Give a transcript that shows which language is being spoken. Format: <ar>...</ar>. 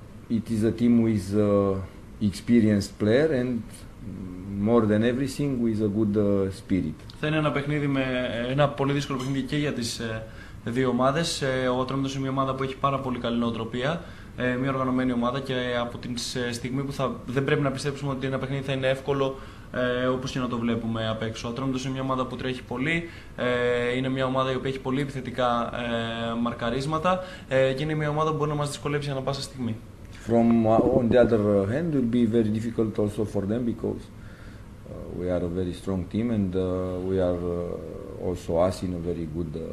<en>It is a team with experienced player and more than everything with a good spirit.</en> <el>Θα είναι ένα παιχνίδι με ένα πολύ δύσκολο παιχνίδι και για τις δύο ομάδες. Ο Ατρόμητος είναι μια ομάδα που έχει πάρα πολύ καλή νοοτροπία. Μια οργανωμένη ομάδα και από την στιγμή που δεν πρέπει να πιστέψουμε ότι ένα παιχνίδι θα είναι εύκολο όπως και να το βλέπουμε απ' έξω. Ο Ατρόμητος είναι μια ομάδα που τρέχει πολύ, είναι μια ομάδα η οποία έχει πολύ επιθετικά μαρκαρίσματα και είναι μια ομάδα που μπορεί να μας δυσκολέψει ανά πάσα στιγμή.</el> <en>From on the other hand, it will be very difficult also for them because we are a very strong team and we are also us in a very good</en>